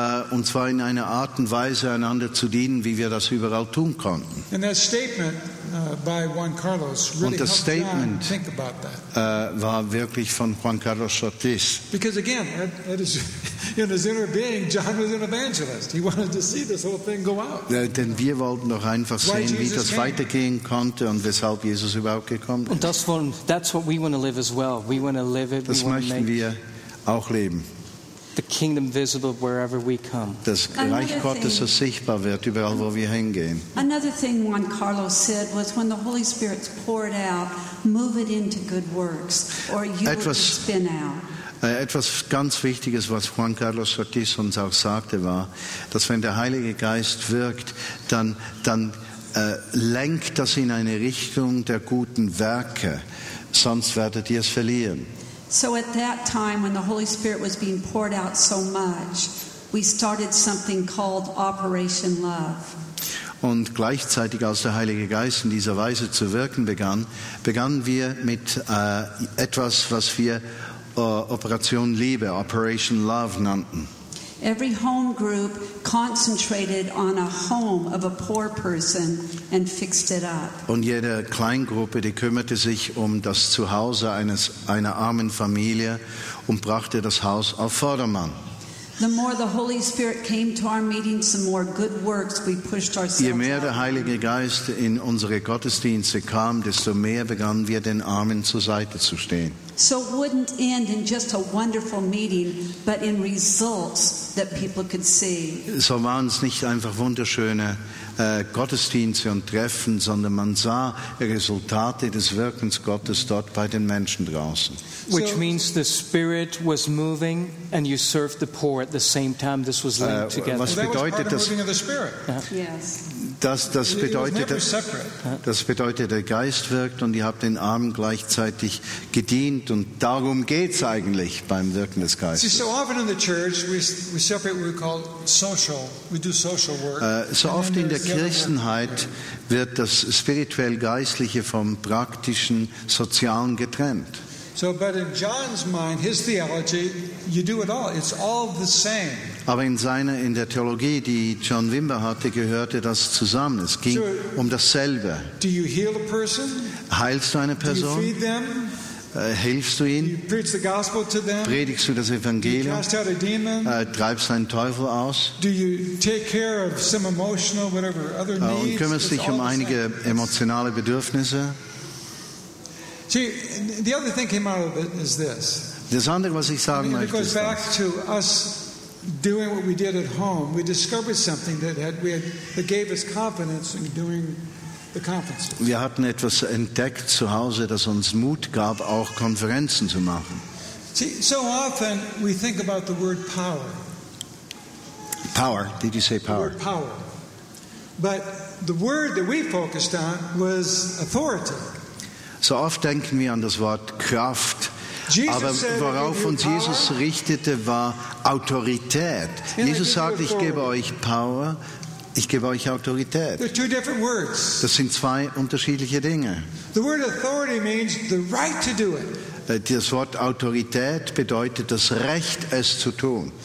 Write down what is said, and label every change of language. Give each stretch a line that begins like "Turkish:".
German: Und zwar in einer Art und Weise, einander zu dienen, wie wir das überall tun konnten.
English: And that statement by Juan Carlos really helped John think about that.
German: Und das Statement war wirklich von Juan Carlos Ortiz.
English: Because again, in his inner being, John was an evangelist. He wanted to see this whole thing go out.
German: Denn wir wollten doch einfach sehen, wie das weitergehen konnte und weshalb Jesus überhaupt gekommen ist.
English: Und that's what we want to live as well. We want to live it.
German: Das möchten wir auch leben.
English: The kingdom visible wherever we come.
German: Das Reich Gottes, das sichtbar wird, überall wo wir hingehen.
English: Another thing Juan Carlos said was, when the Holy Spirit's poured out, move it into good works, or you will spin out.
German: Etwas ganz Wichtiges, was Juan Carlos Ortiz uns auch sagte, war, dass wenn der Heilige Geist wirkt, dann lenkt das in eine Richtung der guten Werke, sonst werdet ihr es verlieren.
English: So at that time, when the Holy Spirit was being poured out so much, we started something called Operation Love.
German: Und gleichzeitig, als der Heilige Geist in dieser Weise zu wirken begann, begannen wir mit etwas, was wir Operation Liebe, Operation Love nannten.
English: Every home group concentrated on a home of a poor person and fixed it up.
German: Und jede Kleingruppe, die kümmerte sich um das Zuhause einer armen Familie und brachte das Haus auf Vordermann.
English: The more the Holy Spirit came to our meetings, the more good works we pushed ourselves.
German: Je mehr der Heilige Geist in unsere Gottesdienste kam, desto mehr begannen wir den Armen zur Seite zu stehen.
English: So it wouldn't end in just a wonderful meeting, but in results that people could see.
German: So waren es nicht einfach wunderschöne Gottesdienste und Treffen, sondern man sah Resultate des Wirkens Gottes dort bei den Menschen draußen.
English: Which means the Spirit was moving and you served the poor at the same time. This was linked together.
German: Was bedeutet das?
English: Moving of the Spirit. Yes.
German: Das bedeutet, der Geist wirkt und ihr habt den Armen gleichzeitig gedient, und darum geht es eigentlich beim Wirken des Geistes.
English: See, so often in the church we separate what we call social. We do social work.
German: So oft in der Christenheit wird das spirituell-geistliche vom praktischen Sozialen getrennt.
English: So, but in John's mind, his theology, you do it all. It's all the same.
German: Aber in der Theologie, die John Wimber hatte, gehörte das zusammen. Es ging um dasselbe.
English: Do you heal a person?
German: Heilst du eine Person?
English: Do you feed them?
German: Hilfst du ihnen?
English: Do you preach the gospel to them?
German: Predigst du das Evangelium?
English: Do you cast out a demon?
German: Treibst einen Teufel aus?
English: Do you take care of some emotional, whatever, other needs?
German: Und kümmerst dich um einige emotionale Bedürfnisse?
English: See, the other thing came out of it is this.
German: Das andere, was ich sagen möchte,
English: goes back to us doing what we did at home. We discovered something that gave us confidence in doing the conferences.
German: Wir hatten etwas entdeckt zu Hause, das uns Mut gab, auch Konferenzen zu machen.
English: See, so often we think about the word power. Power? Did you say power? The word power. But the word that we focused on was authority.
German: So oft denken wir an das Wort Kraft, aber worauf uns Jesus richtete, war Autorität. Jesus sagt, ich gebe euch Power, ich gebe euch Autorität. Das sind zwei unterschiedliche Dinge. Das Wort Autorität bedeutet das Recht, es zu tun.